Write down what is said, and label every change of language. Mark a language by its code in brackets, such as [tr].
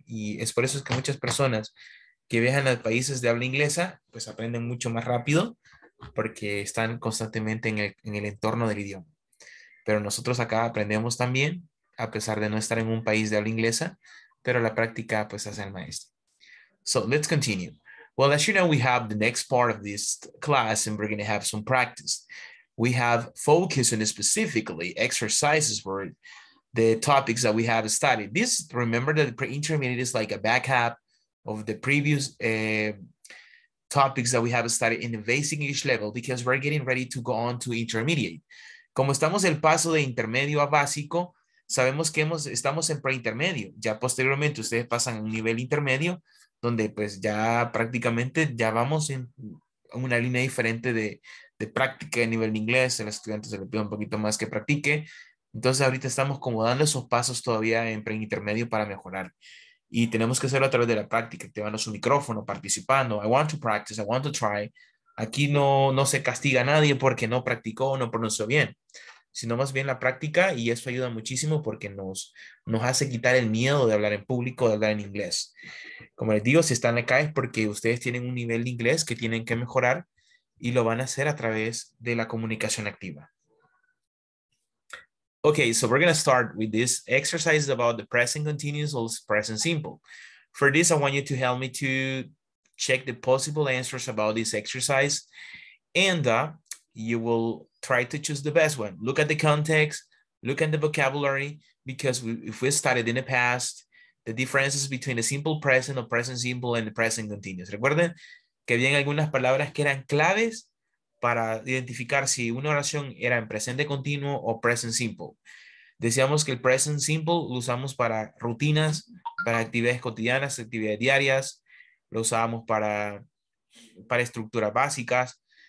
[es] Y es por eso es que muchas personas que viajan a países de habla inglesa, pues aprenden mucho más rápido porque están constantemente en el entorno del idioma. Pero nosotros acá aprendemos también, a pesar de no estar en un país de habla inglesa, pero la práctica pues hace al maestro. [en] So, let's continue. Well, as you know, we have the next part of this class and we're going to have some practice. We have focus and specifically exercises for the topics that we have studied. This, remember that the pre-intermediate is like a backup of the previous topics that we have studied in the basic English level because we're getting ready to go on to intermediate. [es] Como estamos el paso de intermedio a básico, sabemos que estamos en pre-intermedio. Ya posteriormente ustedes pasan a un nivel intermedio donde pues ya prácticamente ya vamos en una línea diferente de práctica a nivel de inglés, a los estudiantes se les pide un poquito más que practique. Entonces ahorita estamos como dando esos pasos todavía en preintermedio para mejorar. Y tenemos que hacerlo a través de la práctica, activando su micrófono, participando. [en] I want to practice, I want to try. [es] Aquí no se castiga a nadie porque no practicó o no pronunció bien, sino más bien la práctica y eso ayuda muchísimo porque nos hace quitar el miedo de hablar en público, de hablar en inglés. Como les digo, si están acá es porque ustedes tienen un nivel de inglés que tienen que mejorar y lo van a hacer a través de la comunicación activa. [en] Okay, so we're going to start with this exercise about the present continuous or present simple. For this, I want you to help me to check the possible answers about this exercise. And you will try to choose the best one. Look at the context, look at the vocabulary, because if we studied in the past, the differences between the simple present or present simple and the present continuous. [es] Recuerden que había algunas palabras que eran claves para identificar si una oración era en presente continuo o present simple. Decíamos que el present simple lo usamos para rutinas, para actividades cotidianas, actividades diarias, lo usábamos para estructuras básicas.